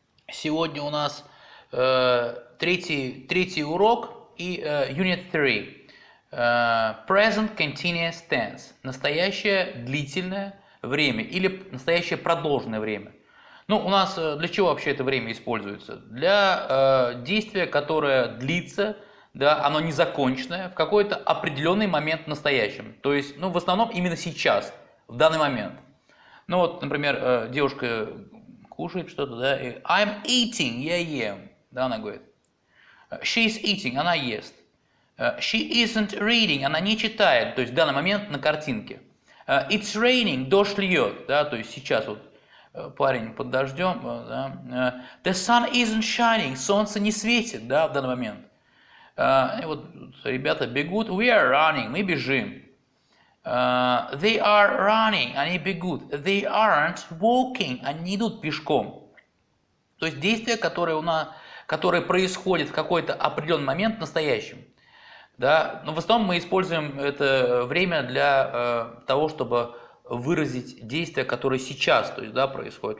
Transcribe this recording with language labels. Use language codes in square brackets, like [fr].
[ru] Сегодня у нас третий урок и Unit 3. [en] Present Continuous Tense. [ru] Настоящее длительное время или настоящее продолженное время. Ну, у нас для чего вообще это время используется? Для действия, которое длится, да, оно незаконченное, в какой-то определенный момент в настоящем. То есть, ну, в основном именно сейчас, в данный момент. Ну вот, например, девушка кушает что-то, да, и [en] I'm eating, [ru] я ем, да, она говорит. [en] She's eating, [ru] она ест. [en] She isn't reading, [ru] она не читает, то есть в данный момент на картинке. [en] It's raining, [ru] дождь льет, да, то есть сейчас вот парень под дождем, да. [en] The sun isn't shining, [ru] солнце не светит, да, в данный момент. И вот ребята бегут, [en] we are running, [ru] мы бежим. [en] They are running, [ru] они бегут. [en] They aren't walking, [ru] они не идут пешком. То есть действие, которое происходит в какой-то определенный момент в настоящем. Да? Но в основном мы используем это время для того, чтобы выразить действие, которое сейчас, то есть, да, происходит.